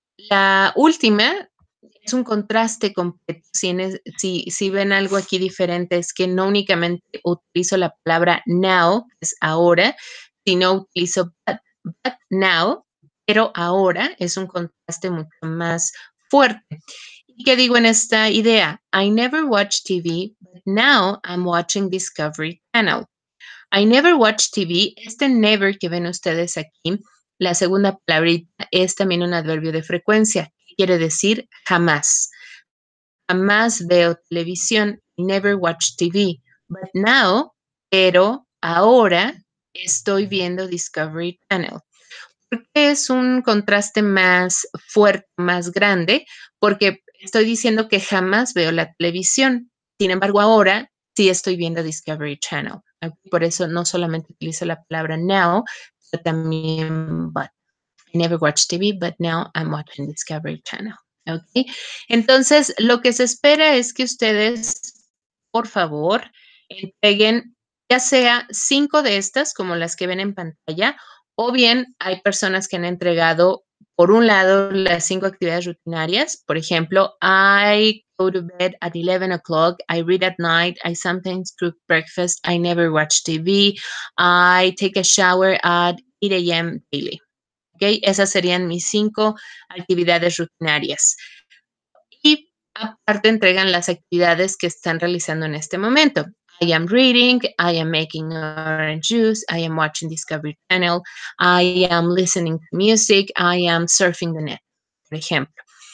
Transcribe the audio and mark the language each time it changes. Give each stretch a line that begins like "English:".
Spanish: La última es un contraste completo. Si ven algo aquí diferente, es que no únicamente utilizo la palabra now, que es ahora, sino utilizo
English: but now,
Spanish: pero ahora es un contraste mucho más fuerte. ¿Y qué digo en esta idea?
English: I never watch TV, but now I'm watching Discovery Channel. I never watch TV.
Spanish: Este never que ven ustedes aquí, la segunda palabrita, es también un adverbio de frecuencia. Quiere decir jamás. Jamás veo televisión.
English: Never watch TV. But now,
Spanish: pero ahora estoy viendo
English: Discovery Channel.
Spanish: ¿Por qué es un contraste más fuerte, más grande? Porque estoy diciendo que jamás veo la televisión. Sin embargo, ahora sí estoy viendo Discovery Channel. Por eso no solamente utilizo la palabra now, pero también but.
English: I never watch TV, but now I'm watching Discovery Channel. ¿Okay?
Spanish: Entonces, lo que se espera es que ustedes, por favor, entreguen ya sea 5 de estas, como las que ven en pantalla, o bien hay personas que han entregado, por un lado, las 5 actividades rutinarias. Por ejemplo,
English: I go to bed at 11 o'clock, I read at night, I sometimes cook breakfast, I never watch TV, I take a shower at 8 a.m. daily. ¿Okay?
Spanish: Esas serían mis 5 actividades rutinarias. Y aparte entregan las actividades que están realizando en este momento.
English: I am reading, I am making orange juice, I am watching Discovery Channel, I am listening to music, I am surfing the net,
Spanish: por ejemplo.